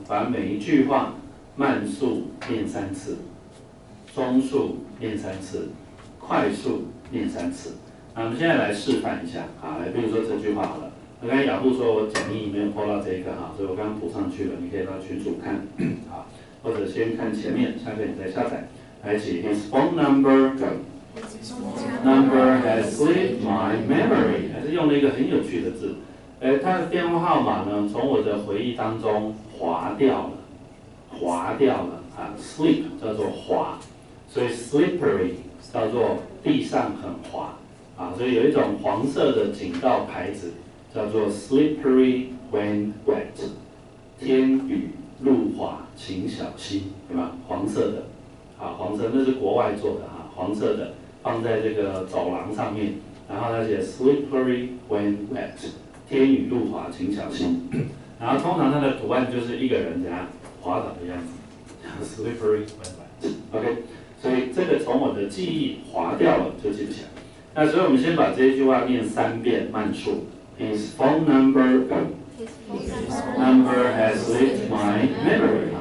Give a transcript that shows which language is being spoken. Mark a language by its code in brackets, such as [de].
[zh] 把每一句话慢速念三次，中速念三次，快速念三次。那我们现在来示范一下啊，来，比如说这句话好了。刚才雅虎说我讲义没有播到这个哈，所以我刚补上去了，你可以到群组看啊，或者先看前面，下面你再下载。来，请 [en] his phone number go。 Number has slipped my memory， [zh] 还是用了一个很有趣的字。他的电话号码呢，从我的回忆当中滑掉了，滑掉了啊。 Slip 叫做滑，所以 slippery 叫做地上很滑啊。所以有一种黄色的警告牌子叫做 [en] slippery when wet， [zh] 天雨路滑，请小心，对吧？黄色的，啊，黄色那是国外做的啊，黄色的。放在这个走廊上面，然后他写 [en] slippery when wet， [zh] 天雨路滑，请小心。然后通常它的图案就是一个人怎样滑倒的样子， [en] slippery when wet。 [zh] OK， 所以这个从我的记忆滑掉了就记不起来。那所以我们先把这句话念三遍慢速。 [en] His phone number has slipped my memory。